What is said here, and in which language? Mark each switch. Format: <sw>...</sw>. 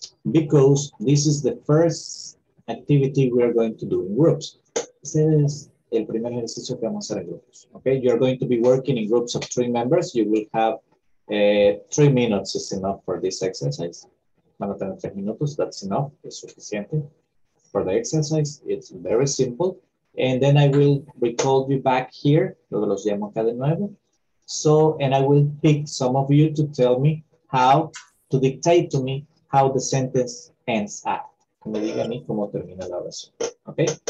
<en>Because this is the first activity we are going to do in groups.</en> <es>Este es el primer ejercicio que vamos a hacer en grupos.</es> <en>Okay, you're going to be working in groups of three members. You will have 3 minutes is enough for this exercise.</en> <es>Van a tener 3 minutos,</es> <en>that's enough,</en> <es>es suficiente.</es> <en>For the exercise, it's very simple. And then I will recall you back here,</en> <es>luego los llamo acá de nuevo.</es> <en>So, and I will pick some of you to tell me how, to dictate to me how the sentence ends up.</en> <es>Me diga a mí cómo termina la oración, okay?</es>